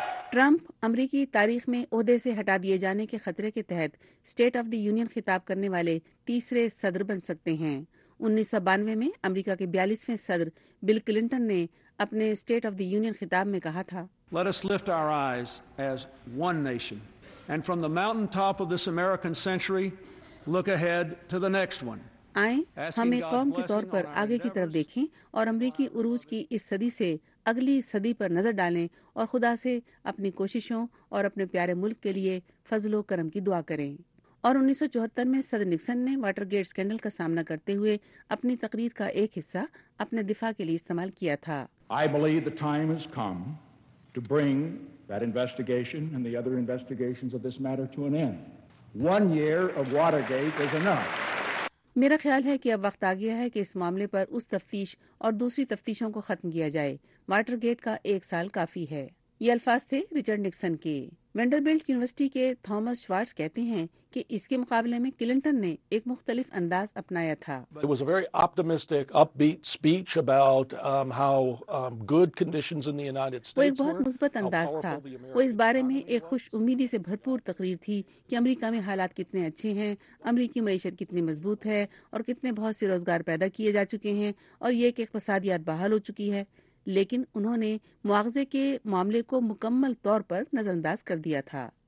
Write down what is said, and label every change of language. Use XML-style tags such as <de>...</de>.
<ur>Trump امریکی تاریخ میں عہدے سے ہٹا دیے جانے کے خطرے کے تحت اسٹیٹ آف دی یونین خطاب کرنے والے تیسرے صدر بن سکتے ہیں. 1992 میں امریکہ کے 42 صدر بل کلنٹن نے اپنے اسٹیٹ آف دی یونین خطاب میں کہا تھا،</ur> <en>Let us lift our eyes as one nation and from the mountain top of this American century look ahead to the next one.</en> <ur>آئیں ہم ایک قوم کے طور پر آگے کی طرف دیکھیں اور امریکی عروج کی اس صدی سے اگلی صدی پر نظر ڈالیں اور خدا سے اپنی کوششوں اور اپنے پیارے ملک کے لیے فضل و کرم کی دعا کریں. اور 1974 میں صدر نکسن نے واٹر گیٹ اسکینڈل کا سامنا کرتے ہوئے اپنی تقریر کا ایک حصہ اپنے دفاع کے لیے استعمال کیا تھا.</ur> <en>I believe the time has come to bring that investigation and the other investigations of this matter to an end. One year of Watergate is enough.</en> <ur>میرا خیال ہے کہ اب وقت آ گیا ہے کہ اس معاملے پر اس تفتیش اور دوسری تفتیشوں کو ختم کیا جائے، وارٹر گیٹ کا ایک سال کافی ہے. یہ الفاظ تھے رچرڈ نکسن کے. وینڈربلٹ یونیورسٹی کے تھامس شوارٹز کہتے ہیں کہ اس کے مقابلے میں کلنٹن نے ایک مختلف انداز اپنایا تھا.</ur> <en>It was a very optimistic, upbeat speech about how good conditions in the United States were.</en> <ur>وہ ایک بہت مثبت انداز تھا. وہ اس بارے میں ایک خوش امیدی سے بھرپور تقریر تھی کہ امریکہ میں حالات کتنے اچھے ہیں، امریکی معیشت کتنی مضبوط ہے اور کتنے بہت سے روزگار پیدا کیے جا چکے ہیں اور یہ کہ اقتصادیات بحال ہو چکی ہے. لیکن انہوں نے معاوضے کے معاملے کو مکمل طور پر نظر انداز کر دیا تھا.</ur>